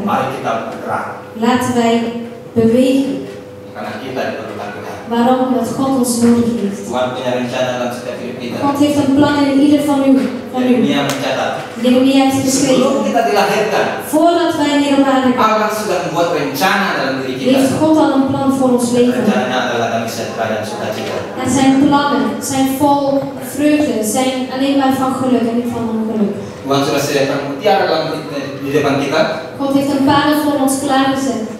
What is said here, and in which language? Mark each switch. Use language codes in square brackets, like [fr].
[id] Mari kita bergerak. [nl] Laten wij bewegen. [id] Karena kita diperlukan Tuhan. [nl] Waarom? Omdat God ons nodig heeft. [id] Tuhan punya rencana dalam setiap hidup kita. [nl] God heeft een plan in ieder van u. [id] Jeremia mencatat. [nl] Jeremia heeft geschreven. [id] Sebelum kita dilahirkan. [nl] Voordat wij nederwaren. [id] Allah sudah membuat rencana dalam diri kita. [nl] Heeft God al een plan voor ons leven. [id] Rencananya adalah damai sejahtera dan sukacita. [nl] En zijn plannen zijn vol vreugde. Zijn alleen maar van geluk en niet van ongeluk. [id] Tuhan sudah sediakan mutiara di depan kita. [nl] God heeft een parel voor ons klaargezet.